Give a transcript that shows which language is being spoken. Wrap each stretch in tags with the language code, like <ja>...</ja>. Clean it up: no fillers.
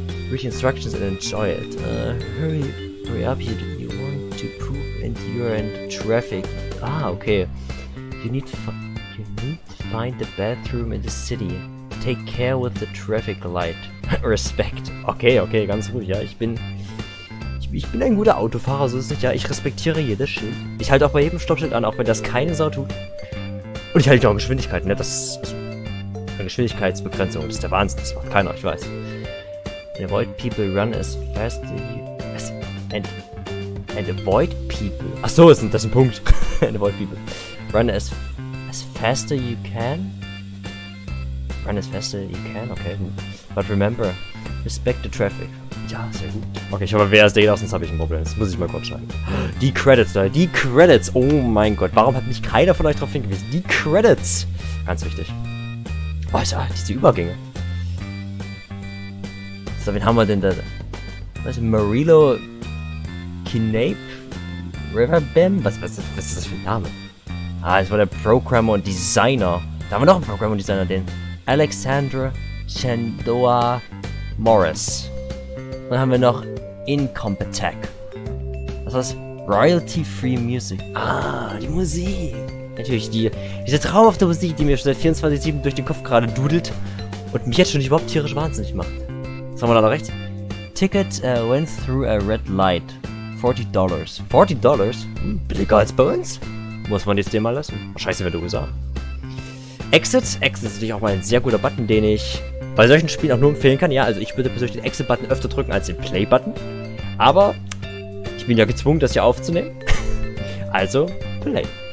<en>Read instructions and enjoy it. Hurry up, you want to poop and you're in traffic. Ah, okay. You need to find the bathroom in the city. Take care with the traffic light.</en> <de>Respekt. Okay, ganz ruhig, ja. Ich bin ein guter Autofahrer, so ist es nicht. Ja, ich respektiere jedes Schild. Ich halte auch bei jedem Stoppschild an, auch wenn das keine Sau tut. Und ich halte auch Geschwindigkeiten, ne? Das ist eine Geschwindigkeitsbegrenzung. Das ist der Wahnsinn. Das macht keiner, ich weiß.</de> <en>Avoid people run as fast as you... And avoid people...</en> <de>Ach so, das ist ein Punkt.</de> <en>And avoid people. Run as fast as you can, okay. But remember, respect the traffic.</en> <de>Ja, sehr gut. Okay, ich hoffe, wer ist der hier, sonst habe ich ein Problem. Das muss ich mal kurz schreiben. Die Credits, oh mein Gott. Warum hat mich keiner von euch darauf hingewiesen? Die Credits! Ganz wichtig. Alter, diese Übergänge. So, wen haben wir denn da? Was ist Marilo Kinape? Riverbam? Was ist das für ein Name? Ah, das war der Programmer und Designer. Da haben wir noch einen Programmer und Designer, den Alexandra Chandoa Morris. Und dann haben wir noch Incompetech. Was war das? Royalty Free Music. Ah, die Musik. Natürlich, diese traumhafte Musik, die mir schon seit 24/7 durch den Kopf gerade dudelt und mich jetzt schon überhaupt tierisch wahnsinnig macht. Was haben wir da noch rechts?</de> <en>Ticket went through a red light.</en> <de>$40. $40? Billiger als bei uns? Muss man jetzt den mal lassen? Scheiße, wenn du gesagt. Exit ist natürlich auch mal ein sehr guter Button, den ich bei solchen Spielen auch nur empfehlen kann. Ja, also ich würde persönlich den Exit-Button öfter drücken als den Play-Button. Aber ich bin ja gezwungen, das hier aufzunehmen. Also, Play.</de>